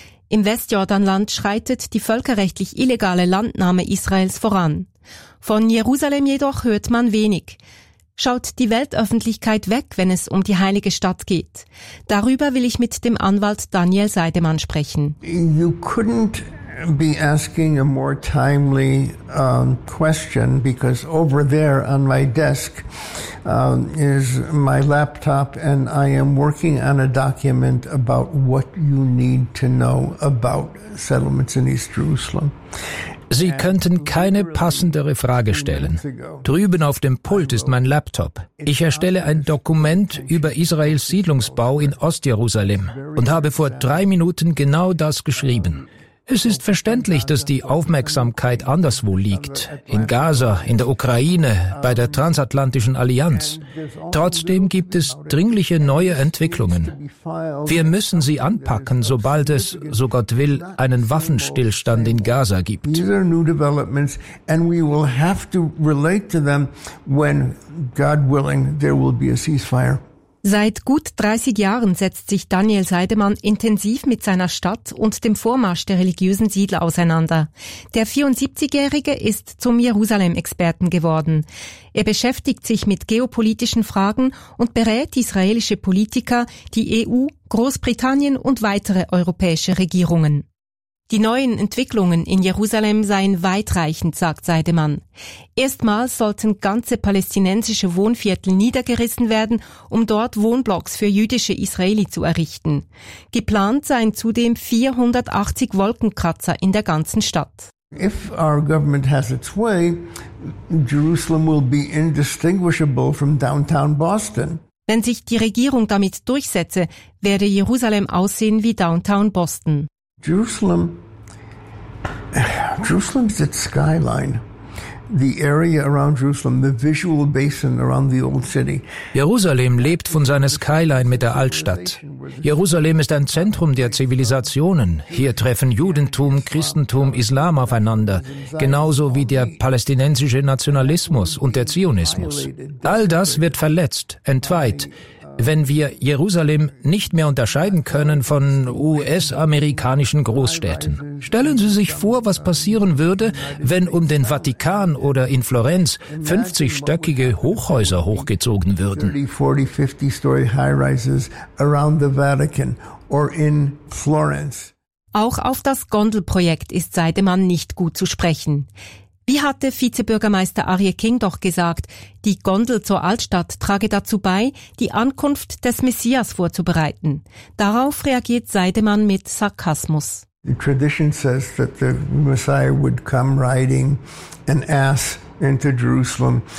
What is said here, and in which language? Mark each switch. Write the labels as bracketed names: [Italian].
[German] Im Westjordanland schreitet die völkerrechtlich illegale Landnahme Israels voran. Von Jerusalem jedoch hört man wenig. Schaut die Weltöffentlichkeit weg, wenn es um die heilige Stadt geht? Darüber will ich mit dem Anwalt Daniel Seidemann sprechen. [English] You couldn't be asking a more timely question, because over there on my desk is my laptop, and I am working on a document about what you need to know about settlements in East Jerusalem. [German] Sie könnten keine passendere Frage stellen. Drüben auf dem Pult ist mein Laptop. Ich erstelle ein Dokument über Israels Siedlungsbau in Ostjerusalem und habe vor 3 Minuten genau das geschrieben. Es ist verständlich, dass die Aufmerksamkeit anderswo liegt. In Gaza, in der Ukraine, bei der Transatlantischen Allianz. Trotzdem gibt es dringliche neue Entwicklungen. Wir müssen sie anpacken, sobald es, so Gott will, einen Waffenstillstand in Gaza gibt. [English] These are new developments, and we will have to relate to them when, God willing, there will be a ceasefire. [German] Seit gut 30 Jahren setzt sich Daniel Seidemann intensiv mit seiner Stadt und dem Vormarsch der religiösen Siedler auseinander. Der 74-Jährige ist zum Jerusalem-Experten geworden. Er beschäftigt sich mit geopolitischen Fragen und berät israelische Politiker, die EU, Großbritannien und weitere europäische Regierungen. Die neuen Entwicklungen in Jerusalem seien weitreichend, sagt Seidemann. Erstmals sollten ganze palästinensische Wohnviertel niedergerissen werden, um dort Wohnblocks für jüdische Israeli zu errichten. Geplant seien zudem 480 Wolkenkratzer in der ganzen Stadt. [English] If our government has its way, Jerusalem will be indistinguishable from downtown Boston. [German] Wenn sich die Regierung damit durchsetze, werde Jerusalem aussehen wie Downtown Boston. [English] Jerusalem is its skyline. the area around Jerusalem, the visual basin around the old city. [German] Jerusalem lebt von seiner Skyline mit der Altstadt. Jerusalem ist ein Zentrum der Zivilisationen. Hier treffen Judentum, Christentum, Islam aufeinander, genauso wie der palästinensische Nationalismus und der Zionismus. All das wird verletzt, entweiht, wenn wir Jerusalem nicht mehr unterscheiden können von US-amerikanischen Großstädten. Stellen Sie sich vor, was passieren würde, wenn um den Vatikan oder in Florenz 50-stöckige Hochhäuser hochgezogen würden. Auch auf das Gondelprojekt ist Seidemann nicht gut zu sprechen. Wie hatte Vizebürgermeister Arye King doch gesagt, die Gondel zur Altstadt trage dazu bei, die Ankunft des Messias vorzubereiten. Darauf reagiert Seidemann mit Sarkasmus. [English] The tradition says that the Messiah would come riding an ass into Jerusalem.